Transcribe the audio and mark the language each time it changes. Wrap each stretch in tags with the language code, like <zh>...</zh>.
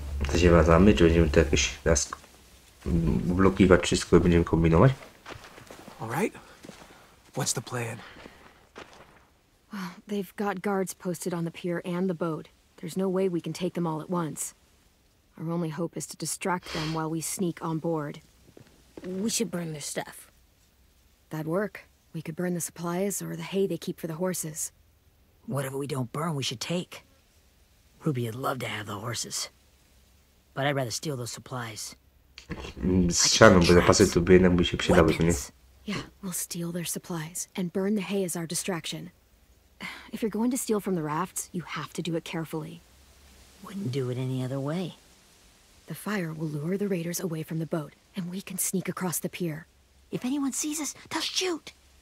<pl>To się wadzamy, czy będziemy to jakieś raz blokować wszystko i będziemy kombinować?</pl> <en>All right. What's the plan? Well, they've got guards posted on the pier and the boat. There's no way we can take them all at once. Our only hope is to distract them while we sneak on board. We should burn their stuff. That'd work. We could burn the supplies or the hay they keep for the horses. Whatever we don't burn, we should take. Ruby would love to have the horses. But I'd rather steal those supplies.</en> <pl>Strzelam, bo zapasy tu by jednak by się przydały, nie?</pl> <en>Yeah, we'll steal their supplies and burn the hay as our distraction. If you're going to steal from the rafts, you have to do it carefully. Wouldn't do it any other way. The fire will lure the raiders away from the boat, and we can sneak across the pier. If anyone sees us, they'll shoot!</en>